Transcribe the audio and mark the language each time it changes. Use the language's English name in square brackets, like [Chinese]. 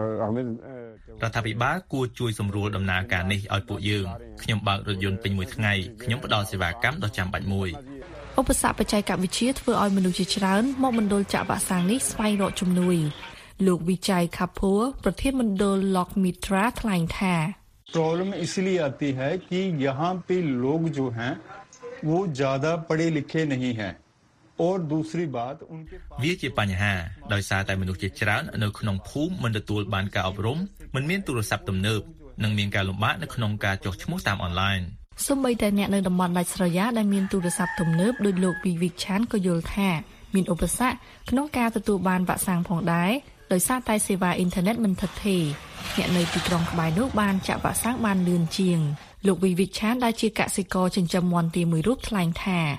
[Khmer] ដ្ឋាភិបាលគួរជួយសម្រួលដំណើរការនេះឲ្យពួកយើងខ្ញុំបើករថយន្តពេញមួយថ្ងៃខ្ញុំផ្ដល់សេវាកម្មដ៏ចាំបាច់មួយ ឧបសគ្គបច្ចេកវិទ្យាធ្វើឲ្យមនុស្សជាច្រើនមកមណ្ឌលចាក់វ៉ាក់សាំងនេះស្វែងរកជំនួយលោកវិជ័យខាពួរប្រធានមណ្ឌល Lock Mitra ថ្លែងថា [Hindi] Problem इसलिए आती है कि यहां पे लोग जो हैं वो ज्यादा पढ़े लिखे नहीं हैं और दूसरी बात उनके पास [Khmer] វាជាបញ្ហាដោយសារតែមនុស្សជាច្រើននៅក្នុងភូមិមិនទទួលបានការអប់រំមិនមានទូរស័ព្ទទំនើបនិងមានការលំបាកនៅក្នុងការចុះឈ្មោះតាមអនឡាញ សូម្បីតែអ្នកនៅតំបន់ដាច់ស្រយាលដែលមានទូរស័ព្ទទំនើបដូចលោកពីវិឆានក៏យល់ថាមានឧបសគ្គក្នុងការទទួលបានវ៉ាក់សាំងផងដែរដោយសារតែសេវាអ៊ីនធឺណិតមិនថឹកថេរអ្នកនៅទីក្រុងក្បែរនោះបានចាក់វ៉ាក់សាំងបានលឿនជាងលោកវិវិឆានដែលជាកសិករចិញ្ចឹមមាន់ទាមួយរូបថ្លែងថា